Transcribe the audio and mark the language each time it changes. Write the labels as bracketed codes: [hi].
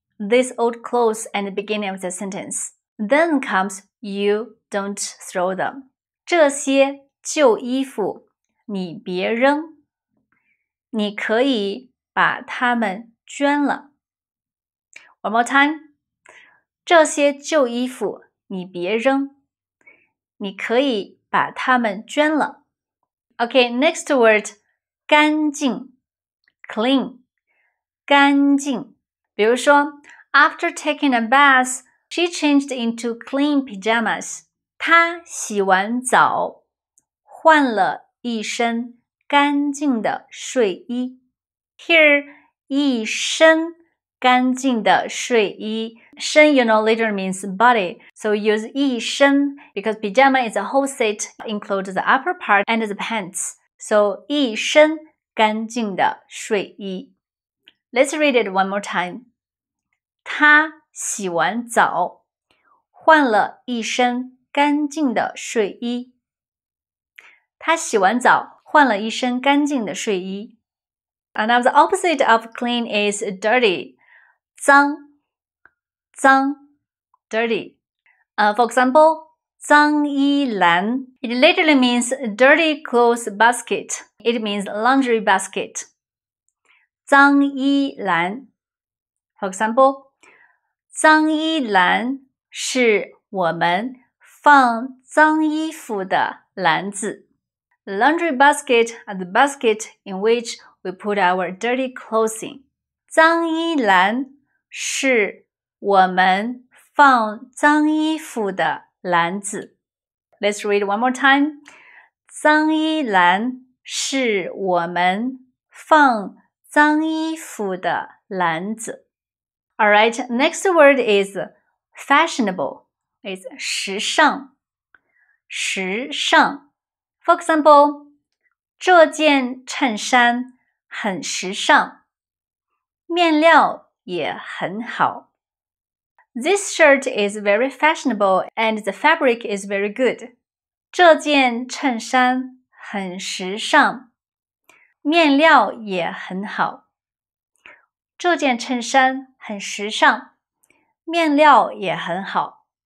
[en] these old clothes at the beginning of the sentence. Then comes you don't throw them. [zh] 这些旧衣服你别扔，你可以把它们捐了。 [en] One more time. [zh] 这些旧衣服你别扔，你可以把它们捐了。 [en] Okay, next word, 干净 clean, 干净。 [zh] 比如说 [en] after taking a bath, she changed into clean pajamas. [zh] 她洗完澡，换了一身干净的睡衣。 [en] Here, [zh] 一身干净的睡衣， [en] 身 you know literally means body, so use 一身 because pajama is a whole set, includes the upper part and the pants. So [zh] 一身干净的睡衣。 [en] Let's read it one more time. [zh] 她洗完澡，换了一身干净的睡衣。她洗完澡，换了一身干净的睡衣。 [en] And now the opposite of clean is dirty. [zh] 脏脏 [en] dirty. For example, [zh] 脏衣篮 [en] It literally means dirty clothes basket. It means laundry basket. [zh] 脏衣篮 [en] For example, [zh] 脏衣篮是我们放脏衣服的篮子 [en] Laundry basket is the basket in which we put our dirty clothing. [zh] 脏衣篮是我们放脏衣服的篮子。 [en] Let's read one more time. [zh] 脏衣篮是我们放脏衣服的篮子。 [en] Alright, next word is fashionable. It's 时尚。 [zh] 时尚。 [en] For example, [zh] 这件衬衫很时尚。面料也很好。 [en] This shirt is very fashionable and the fabric is very good. [zh] 这件衬衫很时尚，面料也很好。这件衬衫很时尚，面料也很好。